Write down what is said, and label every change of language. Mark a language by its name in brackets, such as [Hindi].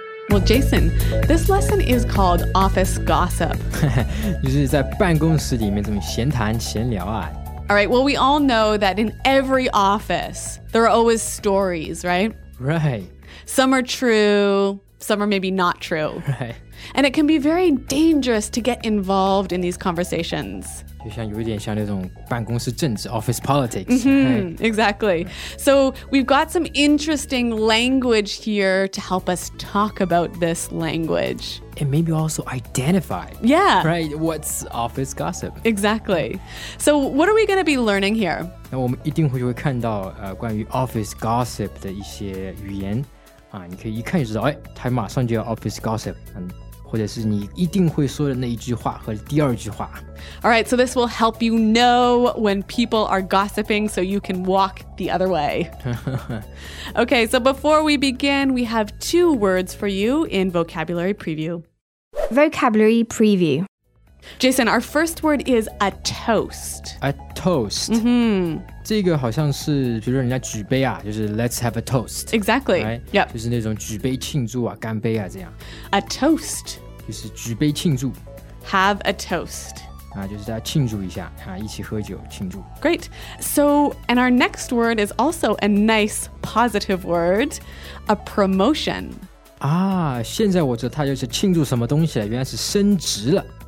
[English] Well, Jason, this lesson is called Office Gossip. [Chinese] 就是在办公室里面这么闲谈闲聊啊。 [English] All right, well, we all know that in every office, there are always stories, right? Right. Some are true, some are maybe not true. Right. And it can be very dangerous to get involved in these conversations. [Chinese] 就像有点像那种办公室政治 office politics. [English] Mm-hmm, right. Exactly. So we've got some interesting language here to help us talk about this language. And maybe also identify. Yeah. Right, what's office gossip? Exactly. So what are we going to be learning here? [Chinese] 那我们一定会就会看到关于 office gossip 的一些语言。你可以一看就知道，他马上就要 office gossip。或者是你一定会说的那一句话和第二句话。 [English] All right, so this will help you know when people are gossiping so you can walk the other way. Okay, so before we begin, we have two words for you in vocabulary preview. Vocabulary preview. Jason, our first word is a toast. A toast. Mm-hmm. [Chinese] 这个好像是比如说人家举杯啊，就是 [English] let's have a toast. Exactly. Right? Yep. [Chinese] 就是那种举杯庆祝啊，干杯啊这样。 [English] A toast. [Chinese] 就是举杯庆祝。 [English] Have a toast. [Chinese] 啊，就是大家庆祝一下啊，一起喝酒庆祝。 [English] Great. So, and our next word is also a nice positive word, a promotion. [Chinese] 啊，现在我知道它就是庆祝什么东西了，原来是升职了。